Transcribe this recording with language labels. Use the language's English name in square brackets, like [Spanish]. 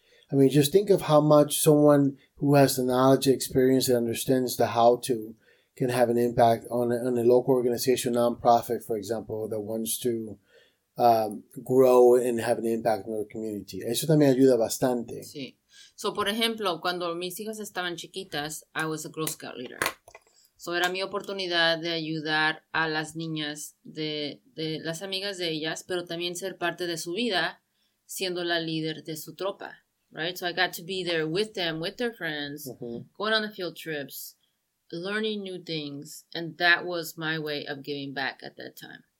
[English] I mean, just think of how much someone who has the knowledge, experience, and understands the how to can have an impact on a local organization, nonprofit, for example, that wants to grow and have an impact in their community. [Spanish] Eso también ayuda bastante. Sí. So, por ejemplo, cuando mis hijas estaban chiquitas, [English] I was a Girl Scout leader. [Spanish] So, era mi oportunidad de ayudar a las niñas de las amigas de ellas, pero también ser parte de su vida siendo la líder de su tropa. [English] Right, so I got to be there with them, with their friends, going on the field trips, learning new things, and that was my way of giving back at that time.